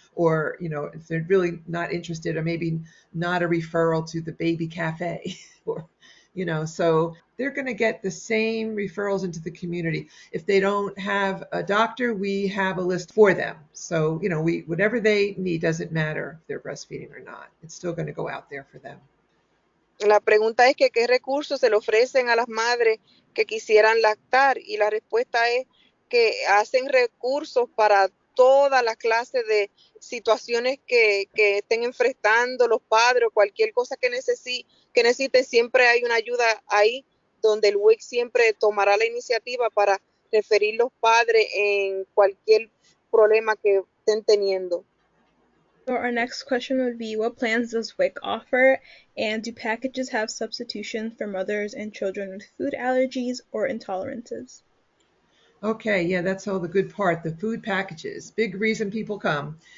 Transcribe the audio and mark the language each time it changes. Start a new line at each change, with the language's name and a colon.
English: Or, you know, if they're really not interested, or maybe not a referral to the baby cafe, or, you know, so they're going to get the same referrals into the community. If they don't have a doctor, we have a list for them. So, you know, whatever they need, doesn't matter if they're breastfeeding or not. It's still going to go out there for them.
Spanish: La pregunta es que qué recursos se le ofrecen a las madres que quisieran lactar. Y la respuesta es que hacen recursos para todas las clases de situaciones que estén enfrentando los padres, o cualquier cosa que necesite, siempre hay una ayuda ahí donde el WIC siempre tomará la iniciativa para referir los padres en cualquier problema que estén teniendo.
English: So our next question would be, what plans does WIC offer, and do packages have substitution for mothers and children with food allergies or intolerances? Okay, yeah, that's all the good part, the food packages, big reason people come.